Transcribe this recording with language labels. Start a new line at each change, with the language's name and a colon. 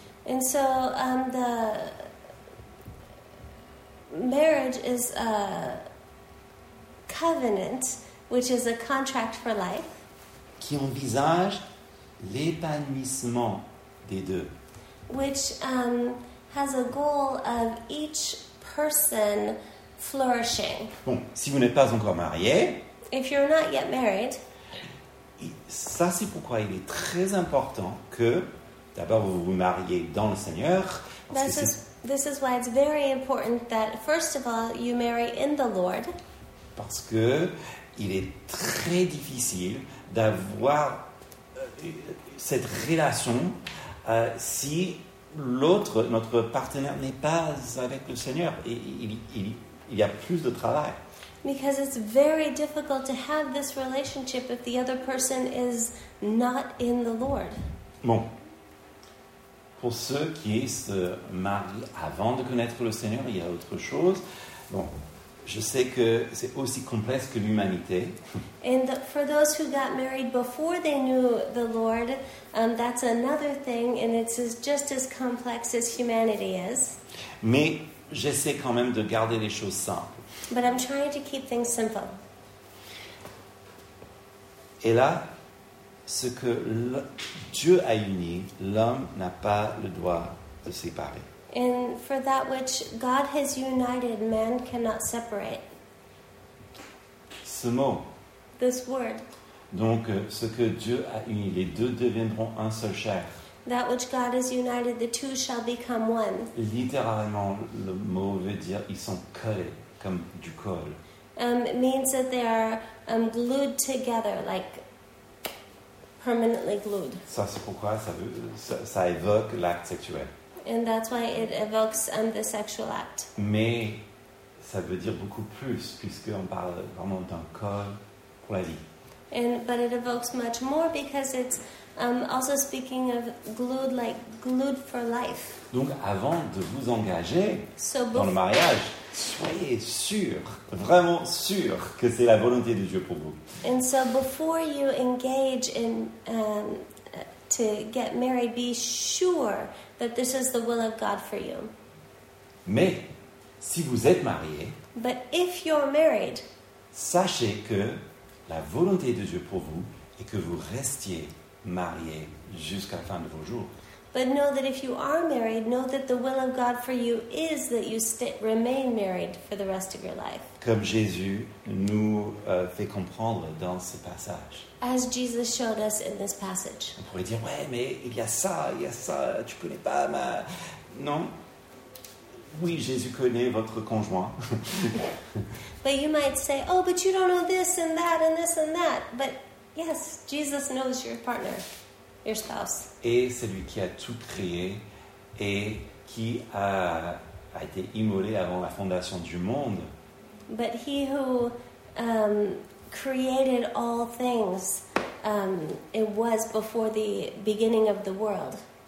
English: And so, the marriage is a covenant, which is a contract for life,
French: qui envisage l'épanouissement des deux,
English: which has a goal of each person flourishing.
French: Bon, si vous n'êtes pas encore marié,
English: if you're not yet married,
French: ça c'est pourquoi il est très important que d'abord vous vous mariez dans le Seigneur.
English: This is why it's very important that first of all you marry in the Lord.
French: Parce que il est très difficile d'avoir cette relation si l'autre, notre partenaire, n'est pas avec le Seigneur. Il y a plus de travail.
English: Because it's very difficult to have this relationship if the other person is not in the Lord.
French: Bon. Pour ceux qui se marient avant de connaître le Seigneur, il y a autre chose. Bon. Je sais que c'est aussi complexe que l'humanité.
English: And for those who got married before they knew the Lord, that's another thing, and it's just as complex as humanity is.
French: Mais j'essaie quand même de garder les choses simples.
English: But I'm trying to keep things simple.
French: Et là, ce que Dieu a uni, l'homme n'a pas le droit de séparer.
English: And for that which God has united, man cannot separate.
French: Ce mot.
English: This word.
French: Donc, ce que Dieu a uni, les deux deviendront un seul chair.
English: That which God has united, the two shall become one.
French: Littéralement, le mot veut dire ils sont collés, comme du col.
English: It means that they are glued together, like permanently glued.
French: Ça, c'est pourquoi ça évoque l'acte sexuel.
English: And that's why it evokes the sexual act.
French: Mais ça veut dire beaucoup plus, puisqu'on parle vraiment d'un col pour la vie.
English: But it evokes much more because it's also speaking of glued, like glued for life.
French: Donc avant de vous engager dans le mariage, soyez sûr, vraiment sûr, que c'est la volonté de Dieu pour vous.
English: And so before you engage in to get married, be sure that this is the will of God for you.
French: Mais si vous êtes marié,
English: but if you're married,
French: sachez que la volonté de Dieu pour vous est que vous restiez marié jusqu'à la fin de vos jours.
English: But know that if you are married, know that the will of God for you is that you remain married for the rest of your life.
French: Comme Jésus nous fait comprendre dans ce passage.
English: As Jesus showed us in this passage.
French: On pourrait dire, ouais, mais il y a ça, tu connais pas ma... Non. Oui, Jésus connaît votre conjoint.
English: But you might say, oh, but you don't know this and that and this and that. But yes, Jesus knows your partner. Your spouse.
French: Et celui qui a tout créé et qui a été immolé avant la fondation du monde.
English: But he who created all things, it was before the beginning of the world.